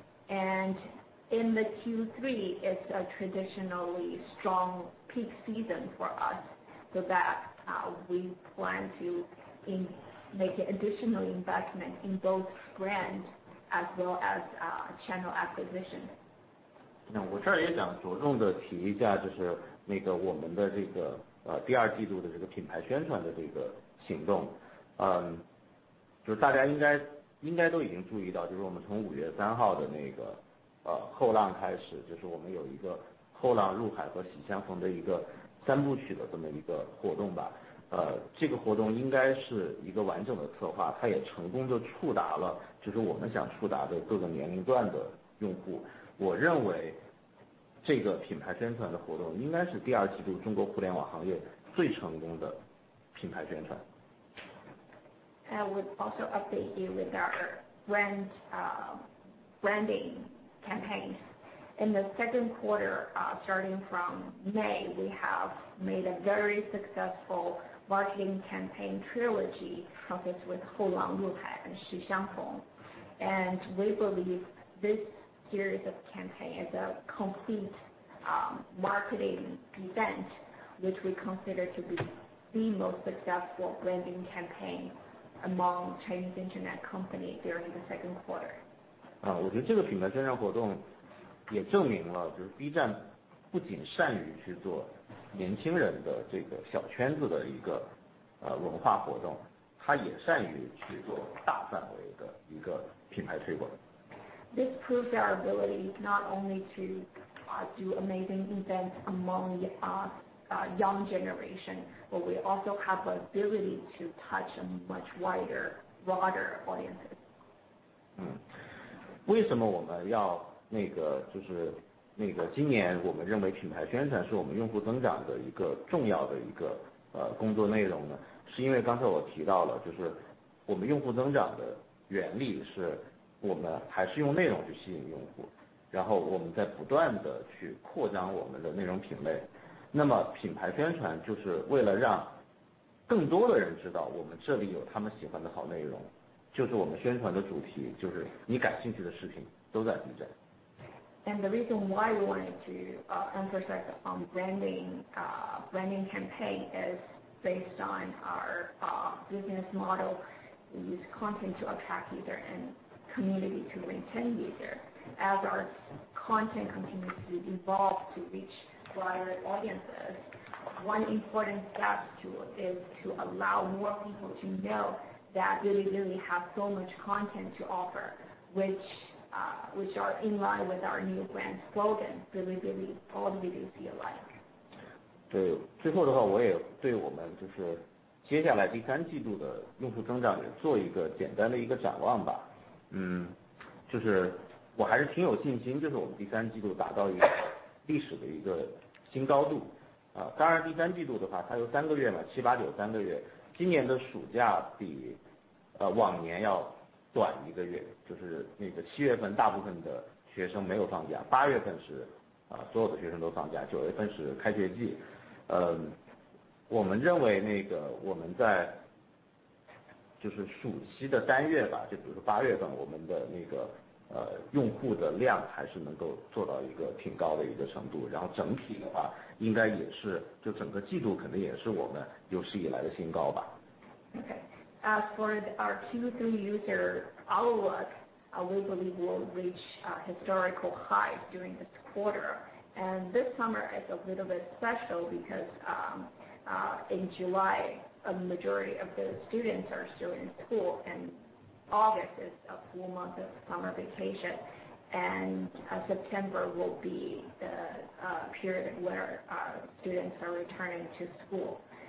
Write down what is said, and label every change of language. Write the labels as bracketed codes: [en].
[en] And in the Q3, it's a traditionally strong peak season for us, so that we plan to make an additional investment in both brand as well as channel acquisition. [zh] 那我这儿也想着重的提一下，就是那个我们的这个第二季度的这个品牌宣传的这个行动。嗯，就是大家应该都已经注意到，就是我们从5月3号的那个后浪开始，就是我们有一个后浪、入海和喜相逢的一个三部曲的这么一个活动吧。这个活动应该是一个完整的策划，它也成功的触达了就是我们想触达的各个年龄段的用户。我认为这个品牌宣传的活动应该是第二季度中国互联网行业最成功的品牌宣传。 [en] I would also update you with our brand branding campaigns. In the second quarter, starting from May, we have made a very successful marketing campaign trilogy focused with Hou Lang Lu Hai and Shi Xiang Feng. And we believe this series of campaign is a complete marketing event, which we consider to be the most successful branding campaign among Chinese internet companies during the second quarter. [zh] 我觉得这个品牌宣传活动也证明了，就是 B 站不仅善于去做年轻人的这个小圈子的一个文化活动，它也善于去做大范围的一个品牌推广。 [en] This proves our ability not only to do amazing events among young generation, but we also have the ability to touch a much wider, broader audiences. [zh] 为什么我们要那个就是那个今年我们认为品牌宣传是我们用户增长的一个重要的一个工作内容呢？是因为刚才我提到了，就是我们用户增长的原理是我们还是用内容去吸引用户，然后我们在不断的去扩张我们的内容品类。那么品牌宣传就是为了让更多的人知道我们这里有他们喜欢的好内容，就是我们宣传的主题，就是你感兴趣的视频都在 B 站。 [en] And the reason why we wanted to emphasize on branding campaign is based on our business model. We use content to attract user and community to retain user. As our content continues to evolve to reach wider audiences, one important step is to allow more people to know that Bilibili has so much content to offer, which are in line with our new brand slogan, Bilibili, all the videos you like. [zh] 对，最后的话，我也对我们就是接下来第三季度的用户增长也做一个简单的一个展望吧。就是我还是挺有信心，就是我们第三季度达到一个历史的一个新高度。当然第三季度的话，它有三个月嘛，七八九三个月。今年的暑假比往年要短一个月，就是那个7月份大部分的学生没有放假，8月份是所有的学生都放假，9月份是开学季。我们认为那个我们在就是暑期的单月吧，就比如说8月份我们的那个用户的量还是能够做到一个挺高的一个程度，然后整体的话应该也是就整个季度肯定也是我们有史以来的新高吧。 [en] Okay, as for our Q3 user outlook, we believe we'll reach a historical high during this quarter, and this summer is a little bit special because in July a majority of the students are still in school andAugust is a full month of summer vacation, and September will be the period where students are returning to school.